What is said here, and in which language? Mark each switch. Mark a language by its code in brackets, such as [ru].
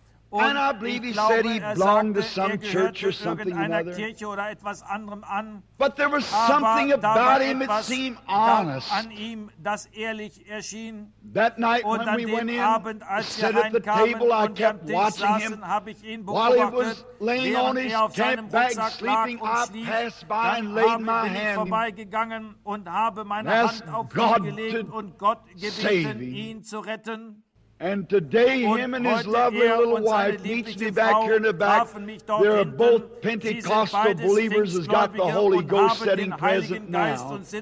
[en] And I believe he said he belonged to some church or something or other. But there was something about him that seemed honest. [de] An ihm, das ehrlich erschien. [en] That night when we went in, [de] Abend, [en] sat at the table, I kept watching him. While he was laying on his camp bag sleeping, I passed by and laid my hand on him [de] und habe meine Hand auf Gott gebeten, ihn zu retten. [en] And today, him and his lovely little wife meet me back here in the back. They are both Pentecostal believers, has got the Holy Ghost setting present now.